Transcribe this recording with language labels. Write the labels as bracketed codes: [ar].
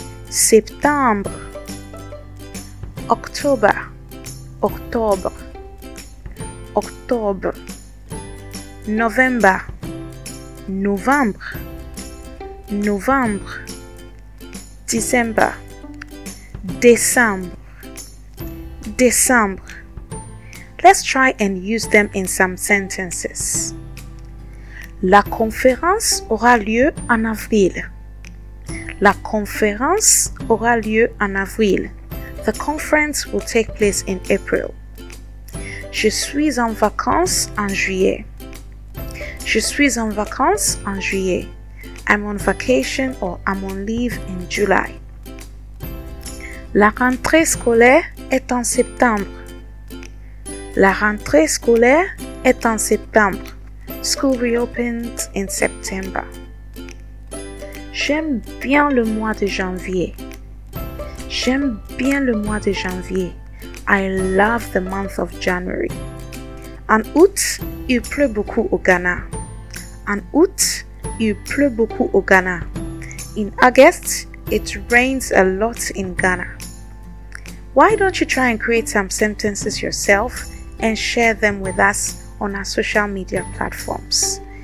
[fr] Septembre. [en] October. [fr] Octobre. Octobre. [en] November. [fr] Novembre. [en] November. December. December. December. Let's try and use them in some sentences. [fr] La conférence aura lieu en avril. La conférence aura lieu en avril. [en] The conference will take place in April. [fr] Je suis en vacances en juillet. Je suis en vacances en juillet. [en] I'm on vacation or I'm on leave in July. [fr] La rentrée scolaire est en septembre. La rentrée scolaire est en septembre. [en] School reopened in September. [fr] J'aime bien le mois de janvier. J'aime bien le mois de janvier. [en] I love the month of January. [fr] En août, il pleut beaucoup au Ghana. En août, il pleut beaucoup au Ghana. [en] In August, it rains a lot in Ghana. Why don't you try and create some sentences yourself and share them with us on our social media platforms?